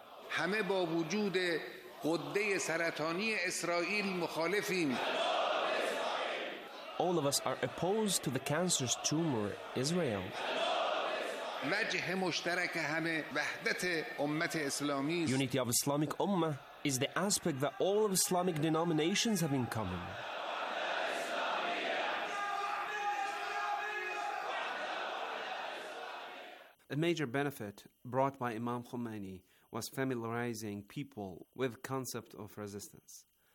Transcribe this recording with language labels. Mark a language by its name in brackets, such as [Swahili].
[Persian] همه با وجود غده سرطانی اسرائیل مخالفیم. [English] All of us are opposed to the cancerous tumor Israel. [Persian] وجه مشترک همه وحدت امت اسلامی. [English] Unity of Islamic Ummah is the aspect that all of Islamic denominations have in common. A major benefit brought by Imam Khomeini was familiarizing people with the concept of resistance.